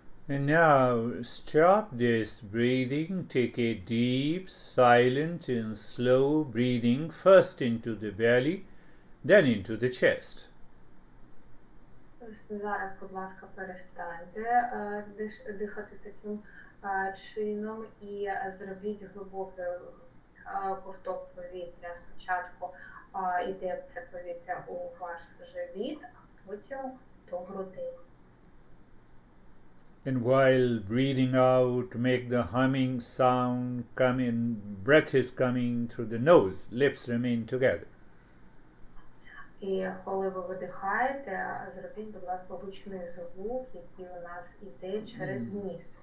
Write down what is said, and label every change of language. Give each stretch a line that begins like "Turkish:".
English: And now stop this breathing, take a deep, silent and slow breathing first into the belly, then into the chest.
Ukrainian: Зараз, будь ласка, перестаньте дихати таким чином і зробіть глибокий ковток повітря. Спочатку йде це повітря у ваш живіт, а потім до грудей.
English: And while breathing out, make the humming sound come in, breath is coming through the nose, lips remain together.
Ukrainian: І коли ви видихаєте, зробіть, будь ласка, гучний звук, який у нас іде через ніс.